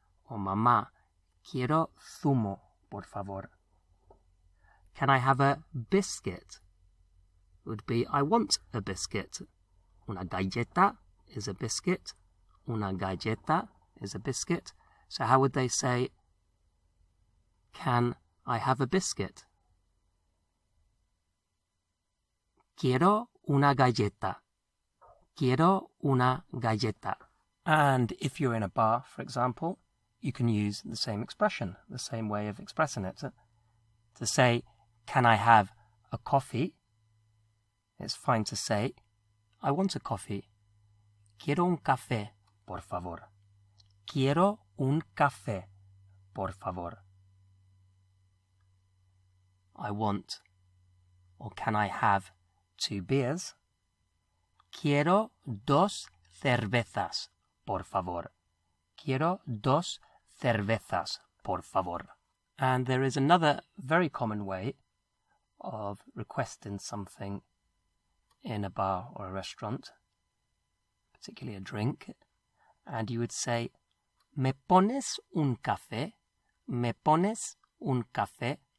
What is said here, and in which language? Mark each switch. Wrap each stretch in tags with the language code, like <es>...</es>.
<es>O mamá, quiero zumo, por favor.</es> <en>Can I have a biscuit? Would be, I want a biscuit.</en> <es>Una galleta</es> <en>is a biscuit.</en> <es>Una galleta</es> <en>is a biscuit. So how would they say, can I have a biscuit?</en> <es>Quiero una galleta. Quiero una galleta.</es> <en>And if you're in a bar, for example, you can use the same expression, the same way of expressing it. To say, can I have a coffee? It's fine to say, I want a coffee.</en> <es>Quiero un café, por favor. Quiero un café, por favor.</es> <en>I want, or can I have, two beers?</en> <es>Quiero dos cervezas, por favor. Quiero dos cervezas, por favor.</es> <en>And there is another very common way of requesting something in a bar or a restaurant, particularly a drink. And you would say,</en> <es>me pones un café,</es> <en>me pones un café.</en>